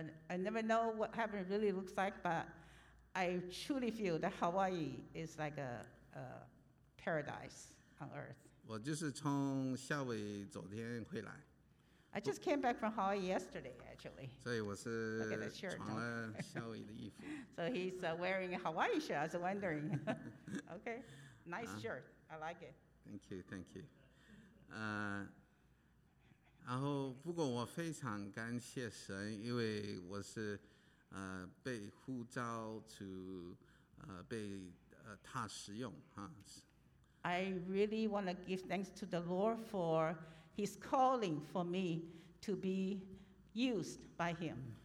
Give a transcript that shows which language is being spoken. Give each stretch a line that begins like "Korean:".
English: I never know what heaven really looks like, but I truly feel that Hawaii is like a paradise on earth.
Chinese: 我就是从夏威夷昨天回来。
English: I just came back from Hawaii yesterday, actually.
Chinese: 所以我是穿了夏威夷的衣服。
English: So he's wearing a Hawaii shirt, I was wondering. Okay, nice shirt, I like it. Thank you.
Chinese: 然后不过我非常感谢神，因为我是被呼召to被他使用哈。
English: I really want to give thanks to the Lord for his calling for me to be used by him.